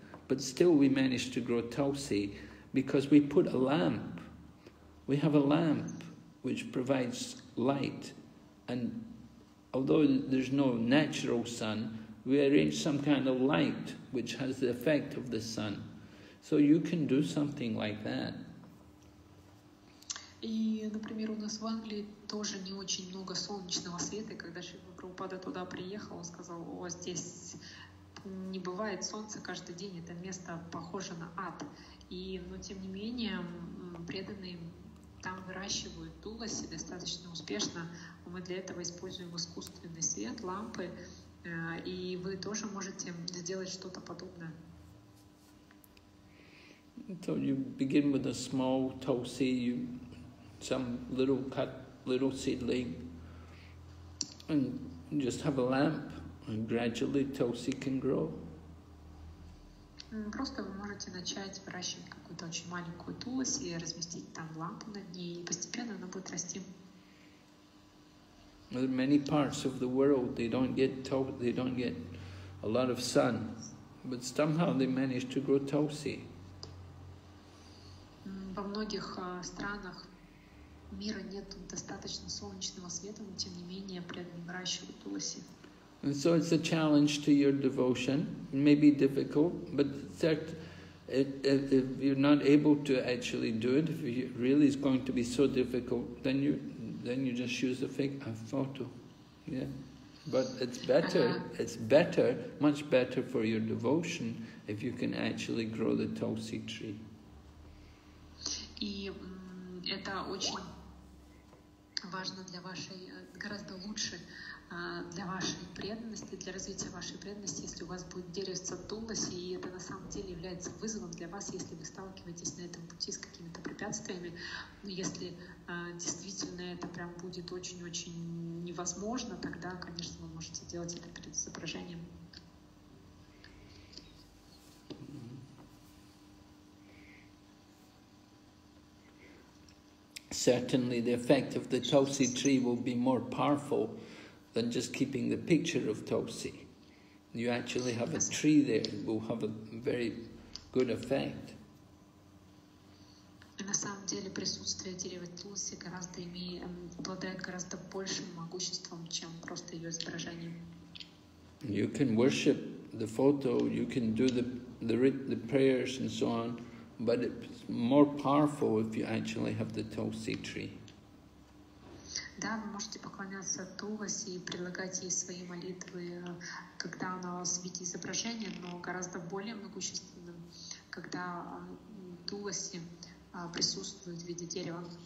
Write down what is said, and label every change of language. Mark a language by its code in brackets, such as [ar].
[en] But still we managed to grow Tulsi because we put a lamp. We have a lamp which provides light. And although there's no natural sun, we arrange some kind of light which has the effect of the sun. So you can do something like that. [ru] И, например, у нас в Англии тоже не очень много солнечного света. Когда Шрила Прабхупада туда приехал, он сказал, о, здесь... Не бывает солнца каждый день, это место похоже на ад. И, но тем не менее, преданные там выращивают туласи достаточно успешно. Мы для этого используем искусственный свет, лампы. И вы тоже можете сделать что-то подобное. [en] So you begin with a small tulsi, some little cut, little seedling, and just have a lamp. And gradually Tulsi can grow. [ru] Просто вы можете начать выращивать какую-то очень маленькую Тулоси и разместить там лампу над ней, и постепенно она будет расти. [en] There are many parts of the world they don't get a lot of sun, but somehow they manage to grow Tulsi. [ru] Во многих странах мира нет достаточно солнечного света, но тем не менее преданные выращивают Тулоси. [en] And so it's a challenge to your devotion, maybe difficult, but if you're not able to actually do it, if it really is going to be so difficult, then you just use a photo, yeah. But it's better, much better for your devotion if you can actually grow the Tulsi tree. [ru] Для вашей преданности, для развития вашей преданности, если у вас будет деревце Туласи, и это на самом деле является вызовом для вас, если вы сталкиваетесь на этом пути с какими-то препятствиями, если действительно это прям будет очень-очень невозможно, тогда, конечно, вы можете делать это перед изображением. [en] Certainly the effect of the Tulsi tree will be more powerful than just keeping the picture of Tulsi. You actually have a tree there, it will have a very good effect. [ru] На самом деле присутствие дерева Тулси гораздо обладает гораздо большим могуществом, чем просто ее изображение. [en] You can worship the photo, you can do the prayers and so on, but it's more powerful if you actually have the Tulsi tree. [ru] Да, вы можете поклоняться Тулосе и предлагать ей свои молитвы, когда она у вас в виде изображения, но гораздо более могущественным, когда Тулоси присутствует в виде дерева.